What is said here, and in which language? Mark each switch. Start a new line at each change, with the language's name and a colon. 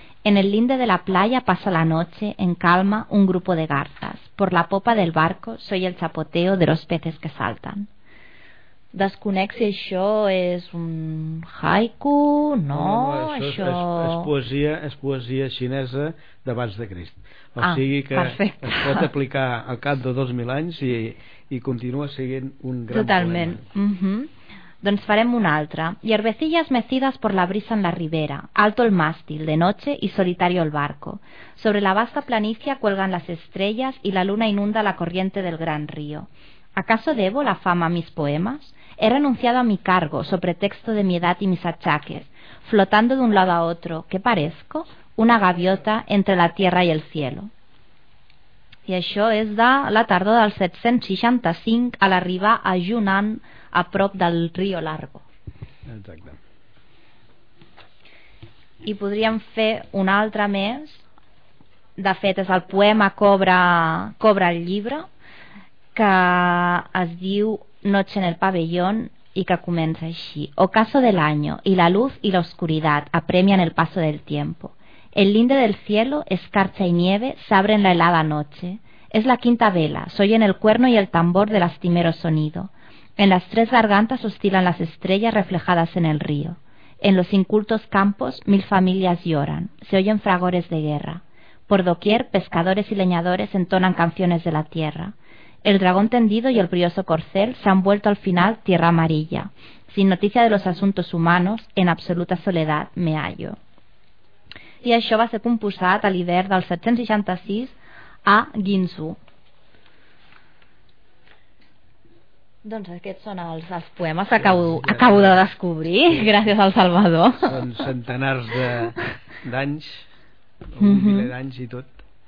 Spanish: En el linde de la playa pasa la noche, en calma, un grupo de garzas. Por la popa del barco soy el chapoteo de los peces que saltan.
Catalan: Desconec si això és un haiku, no? No, això... és poesia xinesa d'abans de Crist. O sigui que perfecte. Es pot aplicar al cap de 2.000 anys i continua sent un gran totalment problema. Mm-hmm. Doncs farem una altra.
Spanish: Hierbecillas mecidas por la brisa en la ribera, alto el mástil, de noche y solitario el barco. Sobre la vasta planicia cuelgan las estrellas y la luna inunda la corriente del gran río. ¿Acaso debo la fama a mis poemas? He renunciado a mi cargo, so pretexto de mi edad y mis achaques. Flotando de un lado a otro, ¿qué parezco? Una gaviota entre la tierra y el cielo.
Catalan: I això és de la tardor del 765 a l'arribar a Yunnan, a prop del río Largo. Exacte. I podríem fer un altre més. De fet, és el poema cobra el llibre, que es diu Noche en el pabellón, i que comença així:
Spanish: ocaso del año y la luz y la oscuridad apremian el paso del tiempo. El linde del cielo, escarcha y nieve, se abre en la helada noche. Es la quinta vela, se oyen el cuerno y el tambor de lastimero sonido. En las tres gargantas oscilan las estrellas reflejadas en el río. En los incultos campos, mil familias lloran, se oyen fragores de guerra. Por doquier, pescadores y leñadores entonan canciones de la tierra. El dragón tendido y el brioso corcel se han vuelto al final tierra amarilla. Sin noticia de los asuntos humanos, en absoluta soledad me hallo.
Catalan: I això va ser composat a l'hivern del 766 a Guinzhou. Doncs aquests són els poemes que acabo de descobrir, sí. Gràcies al Salvador. Són centenars d'anys, un miler d'anys i tot.